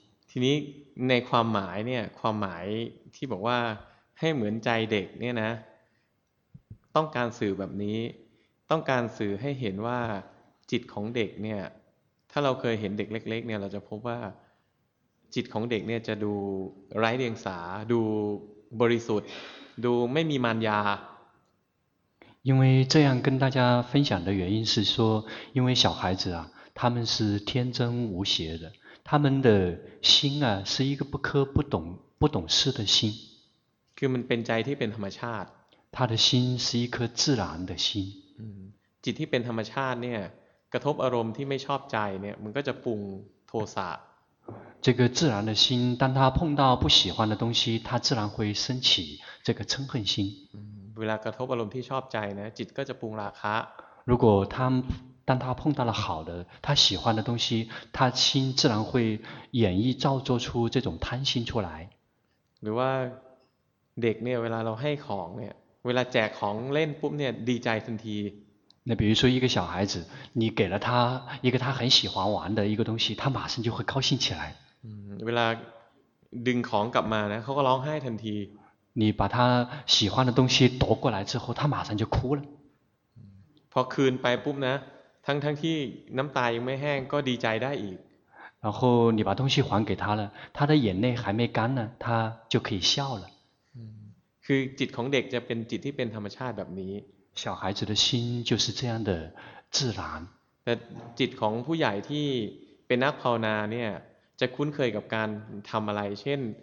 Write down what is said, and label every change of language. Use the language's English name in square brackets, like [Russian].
[Thai] ทีนี้ในความหมายเนี่ยความหมายที่บอกว่าให้เหมือนใจเด็กเนี่ยนะต้องการสื่อแบบนี้ต้องการสื่อให้เห็นว่าจิตของเด็กเนี่ยถ้าเราเคยเห็นเด็กเล็กๆเนี่ยเราจะพบว่าจิตของเด็กเนี่ยจะดูไร้เดียงสาดูบริสุทธิ์ดูไม่มีมารยา [Chinese] 因为这样跟大家分享的原因是说因为小孩子啊他们是天真无邪的他们的心啊是一个不科不懂不懂事的心 [Thai] คือมันเป็นใจที่เป็นธรรมชาติ [Chinese] 他的心是一颗自然的心 [Thai] จิตที่เป็นธรรมชาติเนี่ยกระทบอารมณ์ที่ไม่ชอบใจเนี่ยมันก็จะปรุงโทสะ [Chinese] 这个自然的心当他碰到不喜欢的东西他自然会升起这个嗔恨心 [Thai] เวลากระทบอารมณ์ที่ชอบใจนะจิตก็จะปรุงราคะ [Chinese] 如果他当他碰到了好的他喜欢的东西他心自然会演绎造作出这种贪心出来 [Thai] หรือว่าเด็กเนี่ยเวลาเราให้ของเนี่ยเวลาแจกของเล่นปุ๊บเนี่ยดีใจทันที [Chinese] 那比如说一个小孩子你给了他一个他很喜欢玩的一个东西他马上就会高兴起来 [Thai] เวลาดึงของกลับมานะเขาก็ร้องไห้ทันที [Chinese] 你把他喜欢的东西夺过来之后他马上就哭了 [Thai] พอคืนไปปุ๊บนะทั้งที่น้ำตายังไม่แห้งก็ดีใจได้อีก [Chinese] 然后你把东西还给他了他的眼泪还没干呢他就可以笑了 [Thai] คือจิตของเด็กจะเป็นจิตที่เป็นธรรมชาติแบบนี้ [Chinese] 小孩子的心就是这样的自然 [Thai] แต่จิตของผู้ใหญ่ที่เป็นนักภาวนาเนี่ยจะคุ้นเคยกับการทำอะไรเช่น